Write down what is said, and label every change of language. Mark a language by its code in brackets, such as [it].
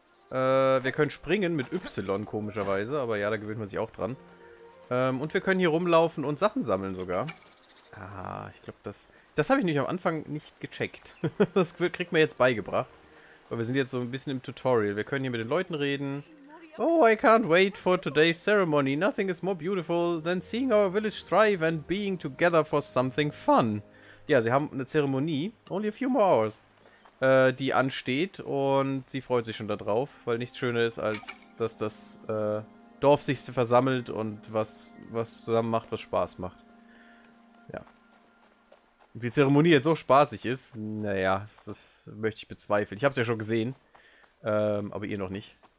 [de] Wir können springen mit Y, komischerweise, aber ja, da gewöhnt man sich auch dran. Und wir können hier rumlaufen und Sachen sammeln sogar. Ah, ich glaube, das habe ich nicht am Anfang nicht gecheckt. Das kriegt man jetzt beigebracht. Aber wir sind jetzt so ein bisschen im Tutorial. Wir können hier mit den Leuten reden. [en] Oh, I can't wait for today's ceremony. Nothing is more beautiful than seeing our village thrive and being together for something fun. [de] Ja, sie haben eine Zeremonie. [en] Only a few more hours. [de] Die ansteht und sie freut sich schon darauf, weil nichts schöner ist, als dass das Dorf sich versammelt und was zusammen macht, was Spaß macht. Ja. Ob die Zeremonie jetzt so spaßig ist, naja, das möchte ich bezweifeln. Ich habe es ja schon gesehen, aber ihr noch nicht.